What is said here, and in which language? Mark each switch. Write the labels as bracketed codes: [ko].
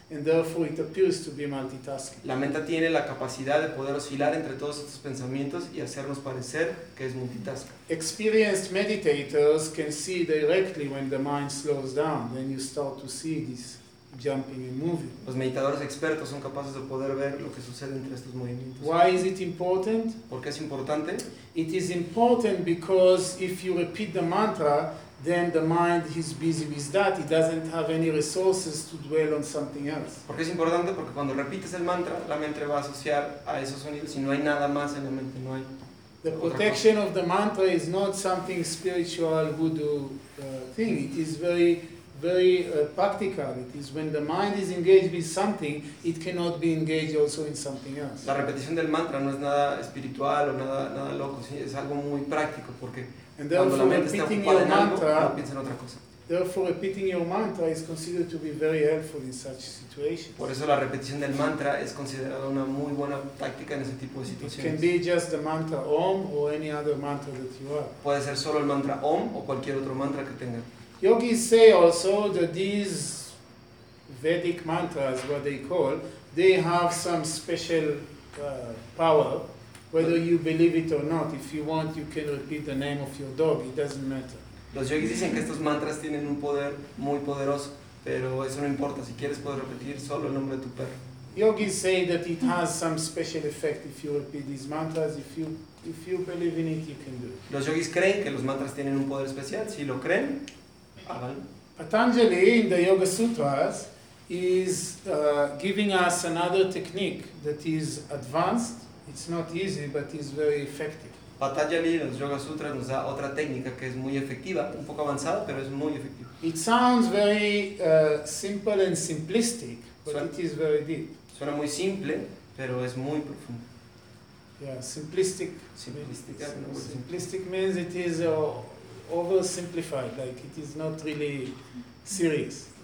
[en] And therefore it appears to be multitasking. [es] La mente tiene la capacidad de poder oscilar entre todos estos pensamientos y hacernos parecer que es multitasking. [en] Experienced meditators can see directly when the mind slows down, then you start to see this jumping and moving. [es] Los meditadores expertos son capaces de poder ver lo que sucede entre estos movimientos. [en] Why is it important? [es] ¿Por qué es importante? [en] It is important because if you repeat the mantra, then the mind is busy with that. It doesn't have any resources to dwell on something else. [es] Porque es importante porque cuando repites el mantra, la mente va a asociar a esos sonidos y no hay nada más en la mente, no hay. [en] The protection of the mantra is not something spiritual voodoo thing. It is very, very practical. It is when the mind is engaged with something, it cannot be engaged also in something else. [es] La repetición del mantra no es nada espiritual o nada loco. Sí, es algo muy práctico porque [en] and therefore, repeating your mantra, [es] en otra cosa. [en] Therefore, repeating your mantra is considered to be very helpful in such situations. [es] Por eso la repetición del mantra es considerada una muy buena táctica en ese tipo de situaciones. [en] It can be just the mantra Om or any other mantra that you have. [es] Puede ser solo el mantra Om o cualquier otro mantra que tenga. [en] Yogis say also that these Vedic mantras, what they call, they have some special power. Whether you believe it or not, if you want, you can repeat the name of your dog. It doesn't matter. [es] Los yogis dicen que estos mantras tienen un poder muy poderoso, pero eso no importa. Si quieres, puedes repetir solo el nombre de tu perro. [en] Yogis say that it has some special effect if you repeat these mantras. If you believe in it, you can do it. [es] Los yogis creen que los mantras tienen un poder especial. Si lo creen, háganlo. [en] Patanjali in the Yoga Sutras is giving us another technique that is advanced. It's not easy, but it's very effective. [es] Patanjali en los Yoga Sutras nos da otra técnica que es muy efectiva, un poco avanzada, pero es muy efectiva. [en] It sounds very simple and simplistic, but it is very deep. [es] Suena muy simple, pero es muy profundo. [en] Yeah, simplistic. Simplistic means it is oversimplified, like it is not really serious.